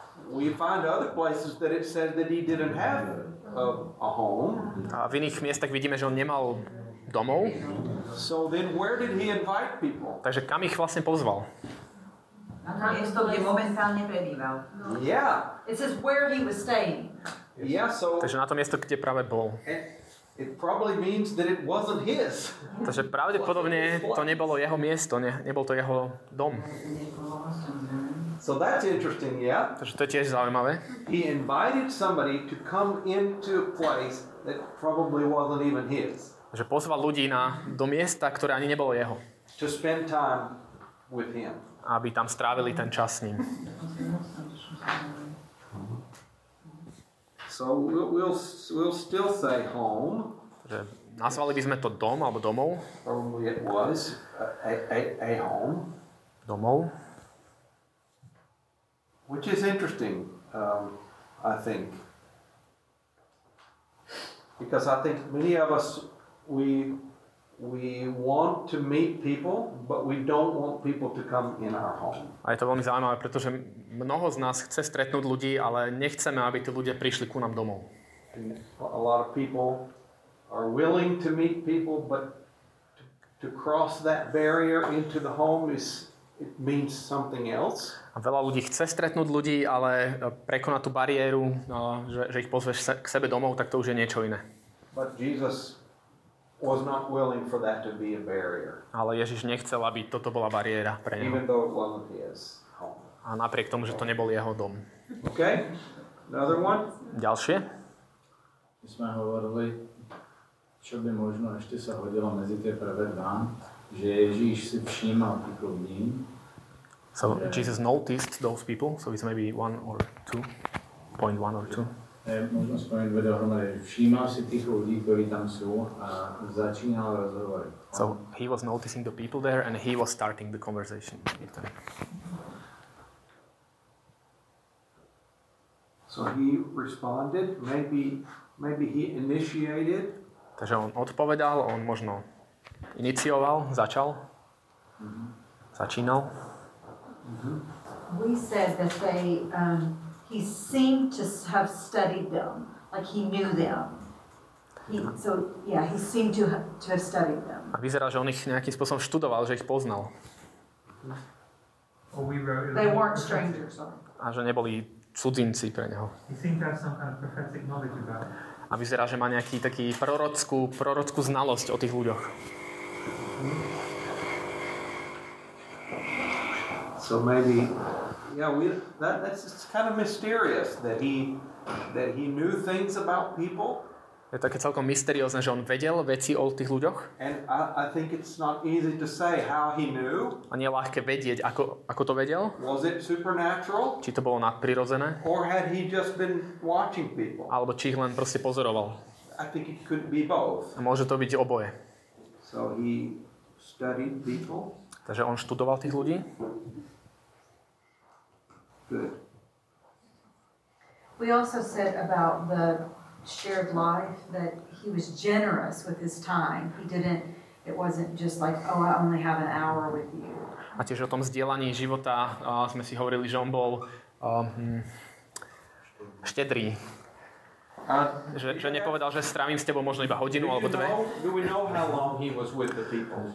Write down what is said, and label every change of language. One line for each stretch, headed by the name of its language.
English: We find other places that it says that he didn't have a home.
Slovak: A v iných miestach vidíme, že on nemal domov.
English: So then where did he invite people?
Slovak: Takže kam ich vlastne pozval? Na to miesto, kde momentálne prebýval.
English: Yeah. It says where he was staying. Yeah, so.
Slovak: Takže na to miesto, kde práve bol.
English: It probably means that it wasn't his.
Slovak: Takže pravdepodobne to nebolo jeho miesto, nebol to jeho dom.
English: So that's interesting, yeah.
Slovak: Takže to je tiež zaujímavé.
English: He invited somebody to come into a place that probably wasn't even his.
Slovak: Takže pozval ľudí na do miesta, ktoré ani nebolo jeho.
English: To spend time with him.
Slovak: Aby tam strávili ten čas s ním.
English: So we'll still say home.
Slovak: Že nazvali by sme to dom alebo domov.
English: Probably it was a home.
Slovak: Domov.
English: Which is interesting, I think. Because I think many of us, we want to meet people, but we don't want people to come in our home.
Slovak: A je to veľmi zaujímavé, pretože mnoho z nás chce stretnúť ľudí, ale nechceme, aby tí ľudia prišli ku nám domov.
English: A lot of people are willing to meet people, but to cross that barrier into the home is, it means something else.
Slovak: A veľa ľudí chce stretnúť ľudí, ale prekonať tú bariéru, že ich pozveš k sebe domov, tak to už je niečo iné.
English: But Jesus was not willing for that to be a barrier.
Slovak: Ale Ježiš nechcel, aby toto bola bariéra pre neho.
English: Even though it wasn't his home.
Slovak: A napriek tomu, že to nebol jeho dom.
English: Okay. Another one?
Slovak: Ďalšie? My sme hovorili, čo by možno ešte sa hodilo medzi tie prvé dva, že Ježiš si všímal tých ľudí. So že...
English: Jesus noticed those people, so it's maybe one or two, point one or two.
Slovak: Možno spomeň dve dohromady. Všímal si tých ľudí, ktorí tam sú a začínal rozhovor.
English: So he was noticing the people there and he was starting the conversation. So he responded, maybe he initiated.
Slovak: Takže on odpovedal, on možno inicioval, začal. Mm-hmm. Začínal.
English: Mm-hmm. We said that they... He seemed to have studied them, like he knew them. He seemed to have studied them.
Slovak: A vyzerá, že on ich nejakým spôsobom študoval, že ich poznal.
English: Mm-hmm. Well, we they weren't strangers. Sorry.
Slovak: A že neboli cudzinci pre neho.
English: He seemed to have some kind of prophetic knowledge about
Slovak: them. A vyzerá, že má nejaký taký prorockú znalosť o tých ľuďoch. Mm-hmm.
English: So maybe, yeah, it's kind of mysterious that he knew things about people.
Slovak: Je také celkom mysteriózne, že on vedel veci o tých ľuďoch.
English: And I think it's not easy to say how he knew.
Slovak: A nie je ľahké vedieť, ako to vedel.
English: Was it supernatural?
Slovak: Či to bolo nadprirodzené?
English: Or had he just been watching people?
Slovak: Alebo či ich len proste pozoroval.
English: I think it could be both.
Slovak: A môže to byť oboje.
English: So he studied people.
Slovak: Takže on študoval tých ľudí.
English: Good. We also said about the shared life that he was generous with his time. It wasn't just like, oh, I only have an hour with you.
Slovak: A tiež o tom zdieľaní života sme si hovorili, že on bol štedrý. Že nepovedal, že strávim s tebou možno iba hodinu alebo dve.
English: Do we know how long he was with the people?